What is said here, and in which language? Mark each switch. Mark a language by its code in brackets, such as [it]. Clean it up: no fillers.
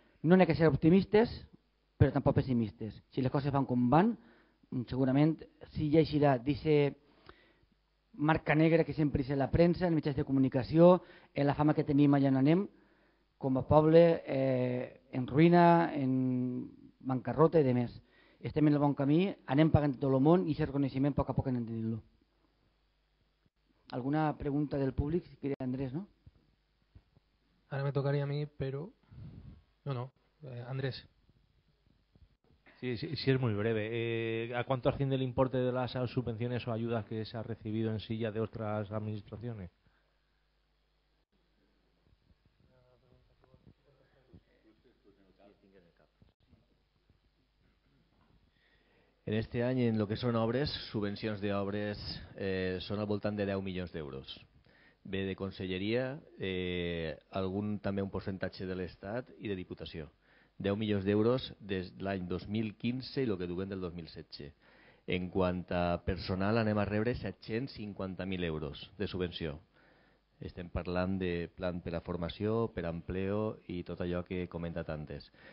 [ca] No n'hi ha que ser optimistes, però tampoc pessimistes. Si les coses van com van, segurament si ja eixirà d'aquest marca negra que sempre hi ha a la premsa, en mitjans de comunicació, en la fama que tenim allà on anem, com a poble en ruïna, en bancarrota i demés. Estem en el bon camí, anem pagant tot el món i aquest reconeixement a poc a poc anem tenint-lo. Alguna pregunta del públic? Si queria Andrés, no? Ara me tocaria a mi, però... No, Andrés. [es] Sí, es muy breve. ¿A cuánto asciende el importe de las subvenciones o ayudas que se ha recibido en Silla de otras administraciones? En este año, en lo que son obres, subvenciones de obres, son [ca] al voltant [es] de 10 millones de euros. [ca] Ve de [es] conselleria, algún también un porcentaje del Estat y de Diputación. [ca] 10 milions d'euros des de l'any 2015 i el que duguem del 2017. En quant a personal, anem a rebre 750.000 euros de subvenció. Estem parlant de plan per a formació, per a empleo i tot allò que he comentat antes.